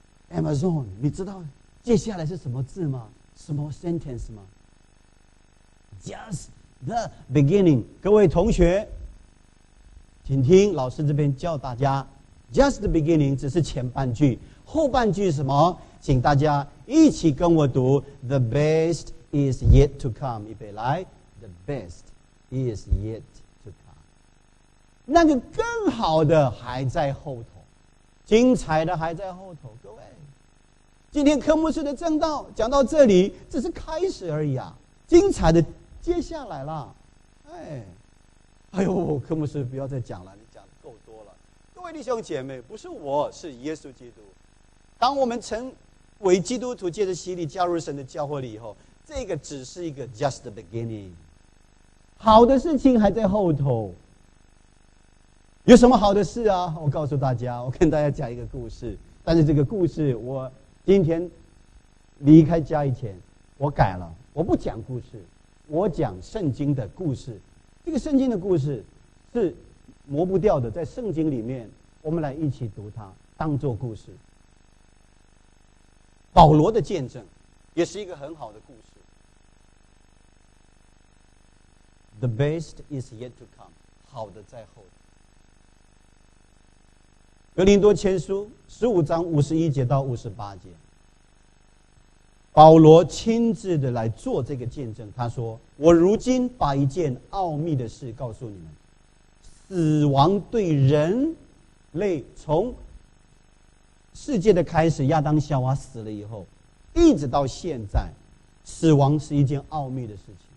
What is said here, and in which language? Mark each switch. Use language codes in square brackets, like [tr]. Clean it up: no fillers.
[zh] Amazon， 你知道接下来是什么字吗？什么 sentence 吗？ Just [en] the beginning. [zh] 各位同学，请听老师这边教大家 ， [en] just the beginning [zh] 只是前半句，后半句是什么？请大家一起跟我读 ， [en] the best is yet to come. [zh] 预备来 ， [en] the best is yet to come. [zh] 那个更好的还在后头，精彩的还在后头，各位。今天科目四的正道讲到这里只是开始而已啊，精彩的接下来了。哎呦，科目四不要再讲了，你讲的够多了。各位弟兄姐妹，不是我，是耶稣基督。当我们成为基督徒，借着洗礼加入神的教会里以后，这个只是一个 [en] just the beginning， [zh] 好的事情还在后头。有什么好的事啊？我告诉大家，我跟大家讲一个故事。但是这个故事我今天离开家以前，我改了，我不讲故事，我讲圣经的故事。这个圣经的故事是磨不掉的，在圣经里面，我们来一起读它，当作故事。保罗的见证也是一个很好的故事。 [en] The best is yet to come， [zh] 好的在后头。格林多前书15章51节到58节，保罗亲自的来做这个见证，他说，我如今把一件奥秘的事告诉你们，死亡对人类从世界的开始，亚当夏娃死了以后一直到现在，死亡是一件奥秘的事情。